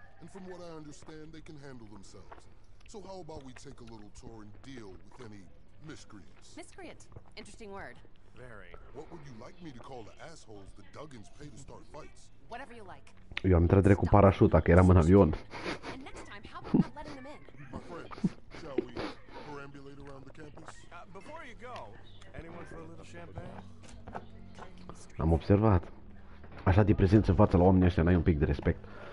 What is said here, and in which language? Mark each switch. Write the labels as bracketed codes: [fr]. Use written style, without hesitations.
[en] And from what I understand, they can handle themselves. So how about we take a little tour and deal with any miscreants? Miscreant. Interesting word. Very. What would you like me to call the assholes the Duggins pay to start fights? Whatever you like. [ro] Eu am intrat cu parașuta, că eram în avion. [en] And next time, how about not letting them in? Shall we perambulate around the campus? Before you go, anyone for a little champagne? [ro] Am observat. Așa de prezență în fața la oamenii ăștia, n-ai un pic de respect.